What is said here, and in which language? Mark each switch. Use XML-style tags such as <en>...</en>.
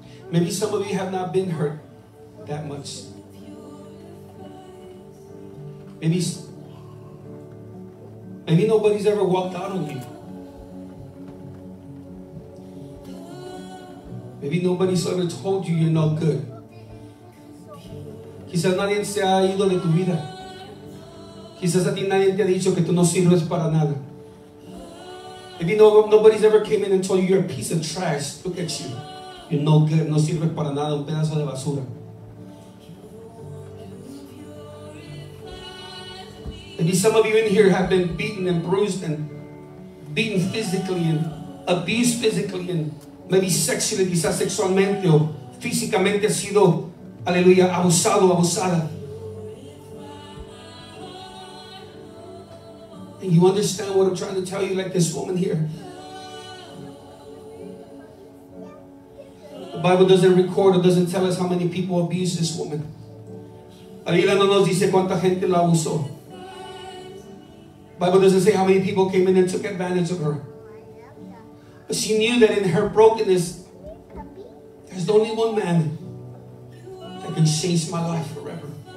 <en>Maybe some of you have not been hurt that much. Maybe nobody's ever walked out on you. Maybe nobody's ever told you you're not good.</en> <es>Quizás nadie se ha ido de tu vida. Quizás a ti nadie te ha dicho que tú no sirves para nada.</es> <en>Maybe nobody's ever came in and told you you're a piece of trash. Look at you. You're no good.</en> <es>No sirves para nada. Un pedazo de basura.</es> <en>Maybe some of you in here have been beaten and bruised and beaten physically and abused physically and maybe sexually,</en> <es>quizás sexualmente o físicamente ha sido, aleluya, abusado, abusada.</es> <en>And you understand what I'm trying to tell you, like this woman here. The Bible doesn't record or doesn't tell us how many people abused this woman.</en> <es>La Biblia no nos dice cuánta gente la abusó.</es> <en>The Bible doesn't say how many people came in and took advantage of her. But she knew that in her brokenness, there's only one man that can change my life forever.</en>